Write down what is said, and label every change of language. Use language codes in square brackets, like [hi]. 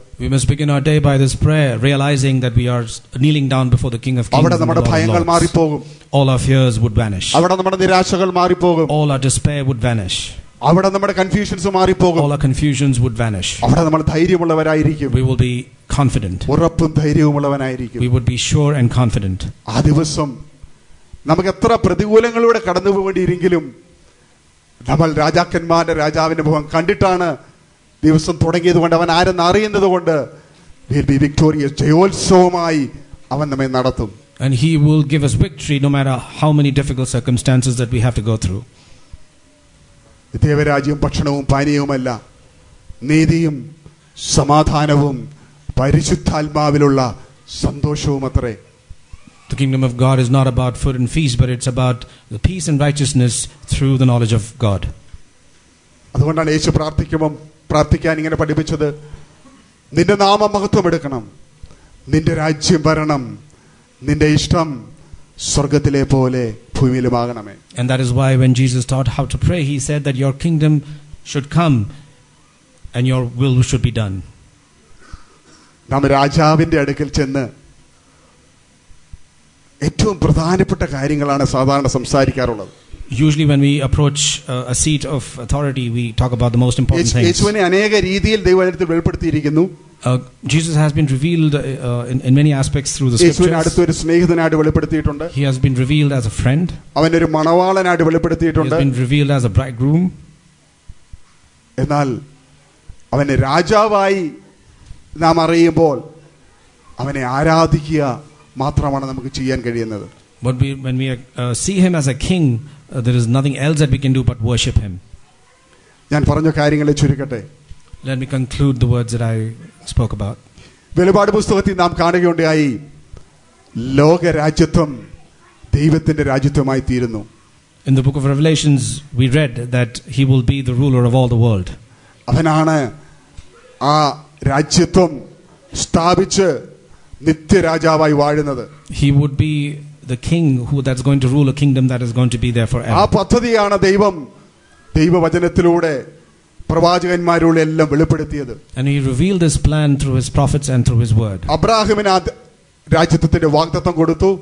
[en] We must begin our day by this prayer realizing that we are kneeling down before the King of Kings. [ml] അവിടെ നമ്മുടെ ഭയങ്ങൾ മാറി പോകും. [en] All our fears would vanish. [ml] അവിടെ നമ്മുടെ നിരാശകൾ മാറി പോകും. [en] All our despair would vanish. [ml] അവിടെ നമ്മുടെ കൺഫ്യൂഷൻസ് മാറി പോകും. [en] All our confusions would vanish. [ml] അവിടെ നമ്മൾ ധൈര്യമുള്ളവരായിരിക്കും. [en] We will be confident. [ml] ഉറപ്പും ധൈര്യവുമുള്ളവനായിരിക്കും. [en] We would be sure and confident. [ml] ആ ദിവസം നമുക്ക് എത്ര പ്രതികൂലങ്ങളിലൂടെ കടന്നു പോകേണ്ടിയിരിക്കലും നമ്മൾ രാജാക്കന്മാരുടെ രാജാവിന്റെ മുഖം കണ്ടിട്ടാണ് ദിവസം തുടങ്ങിയത് കൊണ്ട് അവൻ ആരെന്ന് അറിയുന്നത് കൊണ്ട് [en] we'll be victorious. [ml] ജയോത്സവമായി അവൻ നമ്മെ നടത്തും. [en] And he will give us victory no matter how many difficult circumstances that we have to go through. [ml] ദൈവരാജ്യം ഭക്ഷണവും പാനീയവുമല്ല, നീതിയും സമാധാനവും പരിശുദ്ധാത്മാവിലുള്ള സന്തോഷവും അത്രേ. [en] The kingdom of God is not about food and feast, but it's about the peace and righteousness through the knowledge of God. [ml] അതുകൊണ്ടാണ് യേശു പ്രാർത്ഥിക്കുമ്പോൾ പ്രാർത്ഥിക്കാൻ ഇങ്ങനെ പഠിപ്പിച്ചത്, നിന്റെ നാമം മഹത്വമെടുക്കണം, നിന്റെ രാജ്യം വരണം, നിന്റെ ഇഷ്ടം സ്വർഗത്തിലെ പോലെ. [en] And that is why when Jesus taught how to pray, he said that your kingdom should come and your will should be done. [ml] നമ്മ രാജാവിന്റെ അടുക്കൽ ചെന്ന് ഏറ്റവും പ്രധാനപ്പെട്ട കാര്യങ്ങളാണ് സാധാരണ സംസാരിക്കാറുള്ളത്. [en] Usually when we approach a seat of authority, we talk about the most important things. [ml] യേശുവിനെ അനേക രീതിയിൽ ദൈവത്തിൽ വെളിപ്പെടുത്തിയിരിക്കുന്നു. [en] Jesus has been revealed in many aspects through the scriptures. [ml] യേശുവിനെ അടുത്ത ഒരു സ്നേഹിതനായിട്ട് വെളിപ്പെടുത്തിയിട്ടുണ്ട്. [en] He has been revealed as a friend. [ml] അവൻ ഒരു മണവാളനായിട്ട് വെളിപ്പെടുത്തിയിട്ടുണ്ട്. [en] He has been revealed as a bridegroom. [ml] എന്നാൽ അവനെ രാജാവായി നാം അറിയുമ്പോൾ അവനെ ആരാധിക്കുക മാത്രമാണ് നമുക്ക് ചെയ്യാൻ കഴിയുന്നത്. [en] But when we see him as a king, there is nothing else that we can do but worship him. [ml] ഞാൻ പറഞ്ഞ കാര്യങ്ങളെ ചുരുക്കട്ടെ. [en] Let me conclude the words that I spoke about. [ml] വെളിപാട് പുസ്തകത്തിൽ നാം കാണുകയുണ്ടായി ലോകരാജ്യത്വം ദൈവത്തിന്റെ രാജ്യമായി തീരുന്നു. [en] In the book of Revelations we read that he will be the ruler of all the world. [ml] അവനാണ് ആ രാജ്യത്വം സ്ഥാപിച്ച് നിത്യരാജാവായി വാഴുന്നത്. [en] He would be the king who that's going to rule a kingdom that is going to be there forever. [ml] ആ പദ്ധതിയാണ് ദൈവം ദൈവവചനത്തിലൂടെ പ്രവാചകന്മാരോട് എല്ലാം വെളിപ്പെടുത്തിയത്. [en] And he revealed this plan through his prophets and through his word. [ml] അബ്രഹാമിന് രാജ്യത്വത്തിന്റെ വാഗ്ദത്തം കൊടുത്തു.